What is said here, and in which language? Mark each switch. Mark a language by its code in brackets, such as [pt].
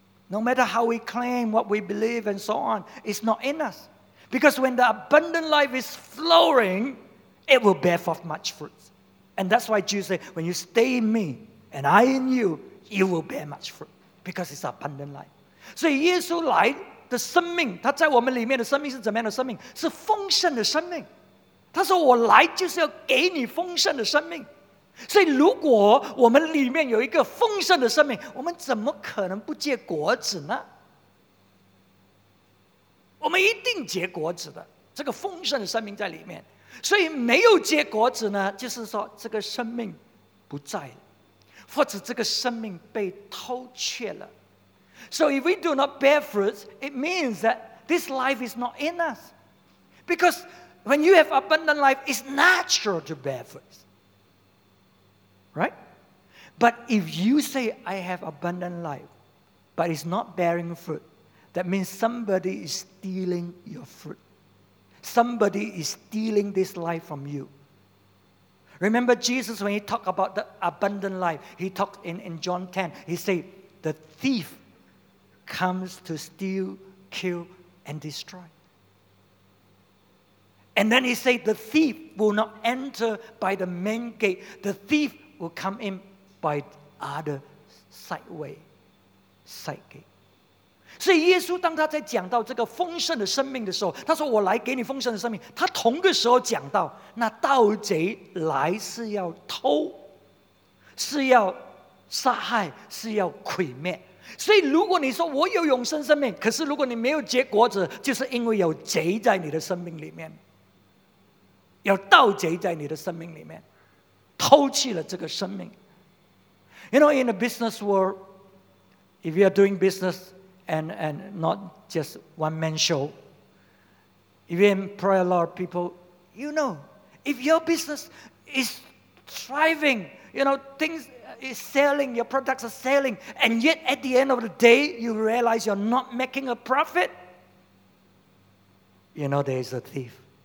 [en] No matter how we claim, what we believe, and so on, it's not in us. Because when the abundant life is flowing, it will bear forth much fruit. And that's why Jesus said, when you stay in me, and I in you, you will bear much fruit. Because it's abundant life. [zh] 所以耶稣来的生命，他在我们里面的生命是怎么样的生命？是丰盛的生命。他说我来就是要给你丰盛的生命。所以如果我们里面有一个丰盛的生命，我们怎么可能不结果子呢？我们一定结果子的，这个丰盛的生命在里面。所以没有结果子呢，就是说这个生命不在了，或者这个生命被偷窃了。 [en] So if we do not bear fruit, it means that this life is not in us. Because when you have abundant life, it's natural to bear fruit. Right? But if you say, I have abundant life, but it's not bearing fruit, that means somebody is stealing your fruit. Somebody is stealing this life from you. Remember Jesus, when he talked about the abundant life, he talked in John 10, he said, the thief comes to steal, kill, and destroy. And then he said, the thief will not enter by the main gate. The thief will come in by the other side way, side gate. [zh] 所以耶稣当他在讲到这个丰盛的生命的时候，他说我来给你丰盛的生命，他同个时候讲到那盗贼来是要偷，是要杀害，是要毁灭。所以如果你说我有永生生命，可是如果你没有结果子，就是因为有贼在你的生命里面，有盗贼在你的生命里面偷去了这个生命。 [en] You know, in the business world, if you are doing businessAnd not just one-man show. If you employ a lot of people, you know, if your business is thriving, you know, things is selling, your products are selling, and yet at the end of the day, you realize you're not making a profit, you know, there is a thief.